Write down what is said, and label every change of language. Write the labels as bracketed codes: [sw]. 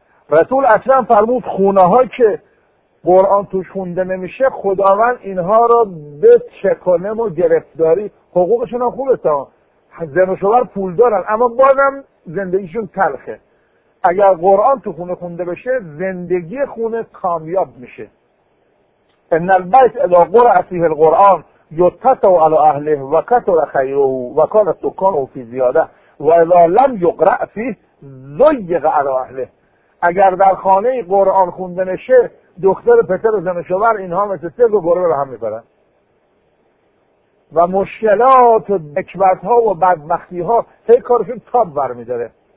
[fa] رسول اکرم فرمود خونه های که قرآن توش خونده نمیشه خداوند اینها را به چکانم و گرفتاری. حقوقشون هم خوبه تا زن و شوهر پول دارن، اما بازم زندگیشون تلخه. اگر قرآن تو خونه خونده بشه زندگی خونه کامیاب میشه. [ar] ان البيت اذا قرأ فيه القرآن يتقوا على اهله وكثر خيره وكان السكان في زياده واذا لم يقرأ فيه ضيق على اهله. [fa] اگر در خانه قرآن خونده نشه دختر پسر و زن و شوهر اینها مثل سر و گربه به هم میپرن و مشکلات و نکبت ها و بدبختی ها هی کارشون تاب برمیداره.